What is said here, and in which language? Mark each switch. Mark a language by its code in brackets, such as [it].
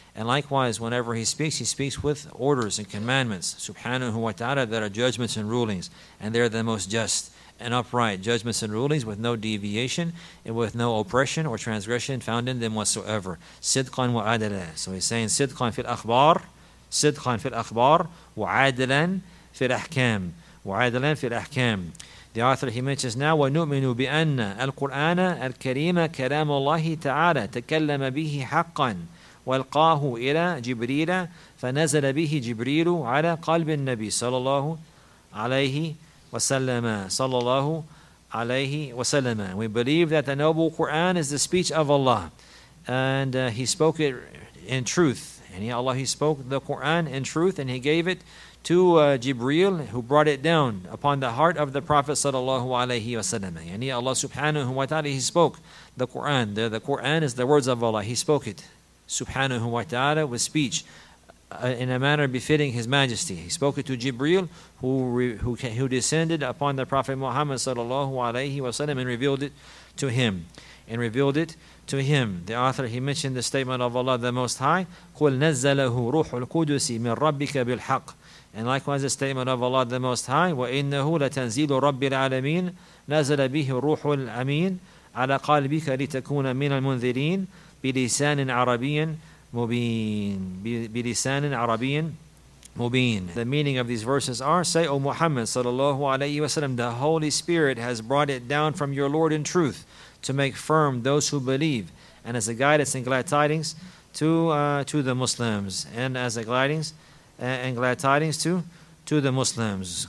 [en] And likewise, whenever He speaks with orders and commandments, Subhanahu wa ta'ala, that are judgments and rulings, and they're the most just and upright judgments and rulings, with no deviation and with no oppression or transgression found in them whatsoever. [ar] Sidqan wa adala. [en] So He's saying, [ar] Sidqan fil akhbar, صدقا في الأخبار وعادلا في الأحكام وعادلا في الأحكام. [en] The author he mentions now, [ar] ونؤمن بأن القرآن الكريم كلام الله تعالى تكلم به حقا والقاه إلى جبريل فنزل به جبريل على قلب النبي صلى الله عليه وسلم صلى الله عليه وسلم. [en] We believe that the noble Quran is the speech of Allah, and he spoke it in truth. And Allah, he spoke the Quran in truth, and he gave it to Jibreel, who brought it down upon the heart of the Prophet sallallahu alaihi wasallam. And Allah subhanahu wa ta'ala, he spoke the Quran. The Quran is the words of Allah. He spoke it subhanahu wa ta'ala with speech in a manner befitting His Majesty. He spoke it to Jibreel, who descended upon the Prophet Muhammad sallallahu alaihi wasallam and revealed it to him. And revealed it to him. The author, he mentioned the statement of Allah the Most High, [ar] قُلْ نَزَّلَهُ رُوحُ الْقُدُسِ مِنْ رَبِّكَ بِالْحَقِّ. And likewise the statement of Allah the Most High, وَإِنَّهُ لَتَنْزِيلُ رَبِّ الْعَالَمِينَ نَزَلَ بِهِ الرُّوحُ الْأَمِينَ عَلَى قَالْبِكَ لِتَكُونَ مِنَ الْمُنذِرِينَ بِلِسَانٍ عَرَبِيٍ مُبِينٍ بِلِسَانٍ عَرَبِيٍ مُبِينٍ. [en] The meaning of these verses are, say, O Muhammad sallallahu alayhi wa sallam, the Holy Spirit has brought it down from your Lord in truth to make firm those who believe, and as a guidance and glad tidings to the Muslims, and as a guidance and glad tidings to the Muslims.